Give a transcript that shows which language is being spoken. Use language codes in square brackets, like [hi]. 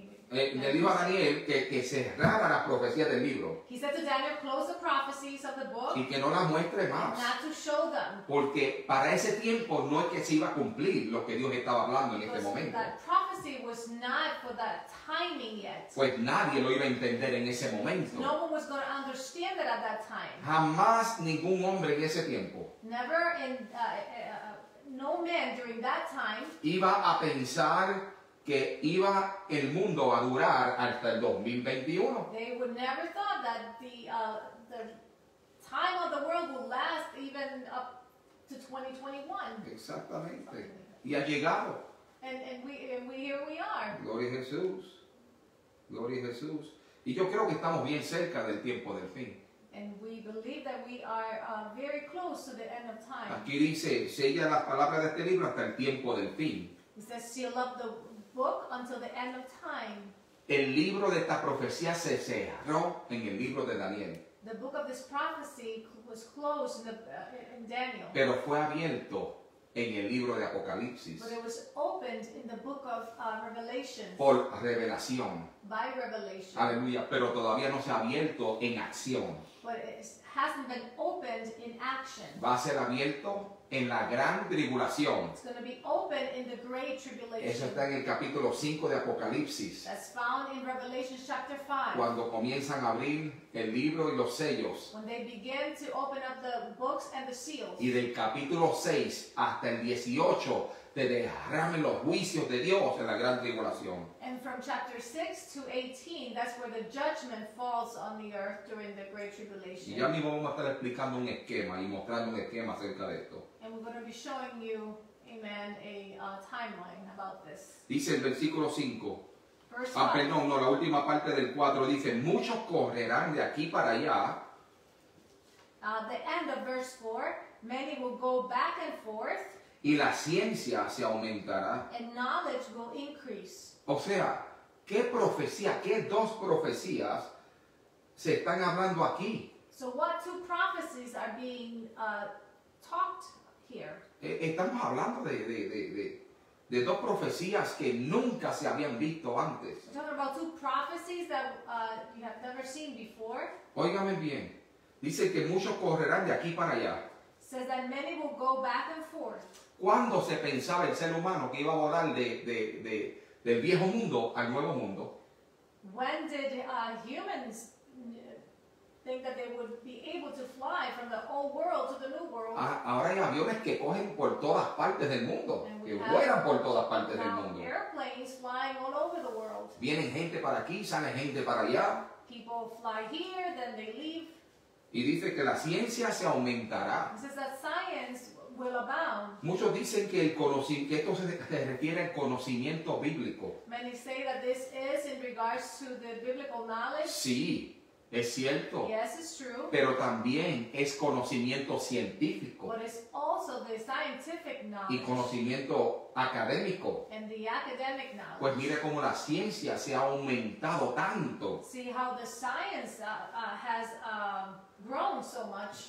[es] Le dijo a Daniel que cerrara las profecías del libro. [en] He said to Daniel, close the prophecies of the book. [es] Y que no las muestre más. [en] Not to show them. [es] Porque para ese tiempo no es que se iba a cumplir lo que Dios estaba hablando [en] because [es] en este momento. [en] That prophecy was not for that timing yet. [es] Pues nadie lo iba a entender en ese momento. [en] No one was going to understand it at that time. [es] Jamás ningún hombre en ese tiempo. [en] Never in no man during that time. [es] Iba a pensar que iba el mundo a durar hasta el 2021. [en] They would never thought that the time of the world would last even up to 2021. [es] Exactamente. Y ha llegado. [en] And we here we are. [es] Gloria a Jesús. Gloria a Jesús. Y yo creo que estamos bien cerca del tiempo del fin. [en] And we believe that we are very close to the end of time. [es] Aquí dice, sella las palabras de este libro hasta el tiempo del fin. [en] It says seal up the book until the end of time. [es] El libro de esta profecía se cerró en el libro de Daniel. [en] The book of this prophecy was closed in Daniel. [es] Pero fue abierto en el libro de Apocalipsis. [en] But it was opened in the book of Revelation. [es] Por revelación. [en] By revelation. [es] Aleluya. Pero todavía no se ha abierto en acción. [en] But it hasn't been opened in action. [es] Va a ser abierto en la gran tribulación. [en] It's going to be open in the great tribulation. [es] Eso está en el capítulo 5 de Apocalipsis. [en] That's found in Revelation chapter 5. [es] Cuando comienzan a abrir el libro y los sellos. [en] When they begin to open up the books and the seals. [es] Y del capítulo 6 hasta el 18 te derramen los juicios de Dios en la gran tribulación. [en] And from chapter 6 to 18, that's where the judgment falls on the earth during the great tribulation. [es] Y ya mismo vamos a estar explicando un esquema y mostrando un esquema acerca de esto. [en] And we're going to be showing you, amen, a timeline about this. [es] Dice el versículo 5. [en] Verse 5. [es] Perdón, no, la última parte del 4 dice, muchos correrán de aquí para allá. [en] The end of verse 4, many will go back and forth. [es] Y la ciencia se aumentará. [en] And knowledge will increase. [es] O sea, ¿qué profecía, qué dos profecías se están hablando aquí? [en] So what two prophecies are being talked here? [es] Estamos hablando de dos profecías que nunca se habían visto antes. [en] We're talking about two prophecies that you have never seen before. [es] Óigame bien. Dice que muchos correrán de aquí para allá. [en] Says that many will go back and forth. [es] ¿Cuándo se pensaba el ser humano que iba a volar del viejo mundo al nuevo mundo? [en] When did humans think that they would be able to fly from the old world to the new world? [es] Ahora hay aviones que cogen por todas partes del mundo, que vuelan por todas partes del mundo. [en] Airplanes flying all over the world. [es] Vienen gente para aquí, sale gente para allá. [en] People fly here, then they leave. [es] Y dice que la ciencia se aumentará. [en] Says that science will abound. [es] Muchos dicen que esto se refiere al conocimiento bíblico. [en] Many say that this is in regards to the biblical knowledge. [es] Sí, es cierto. [en] Yes, it's true. [es] Pero también es conocimiento científico. [en] But it's also the scientific knowledge. [es] Y conocimiento académico. [en] And the academic knowledge. [es] Pues mire cómo la ciencia se ha aumentado tanto. [en] See how the science has grown so much.